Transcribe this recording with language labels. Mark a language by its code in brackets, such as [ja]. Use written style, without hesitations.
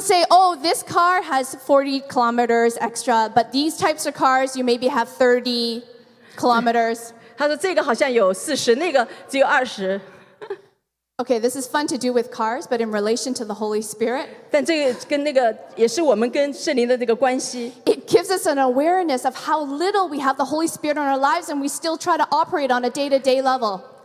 [en] say, oh, this car has 40 kilometers extra, but these types of cars you maybe have 30 kilometers. [zh] 他说这个好像有40，那个只有20。 [en] Okay, this is fun to do with cars, but in relation to the Holy Spirit, it gives us an awareness of how little we have the Holy Spirit in our lives and we still try to operate on a day-to-day level.